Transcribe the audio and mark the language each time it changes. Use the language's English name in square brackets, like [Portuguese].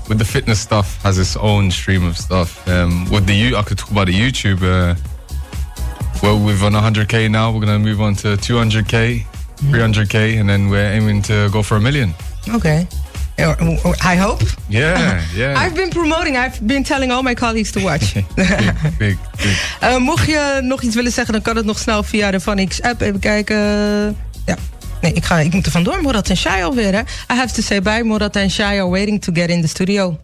[English] With the fitness stuff, has its own stream of stuff. I could talk about the YouTube. Well, we've on 100K now. We're going to move on to 200K, 300K, and then we're aiming to go for 1 million. Okay. I hope. Yeah. I've been promoting. I've been telling all my colleagues to watch. big. [Dutch] Mocht je nog iets willen zeggen, dan kan het nog snel via de Vanix app even kijken. Ja. Nee, ik moet er vandoor. Morat en Shai alweer, hè? [English] I have to say bye. Morat en Shai are waiting to get in the studio.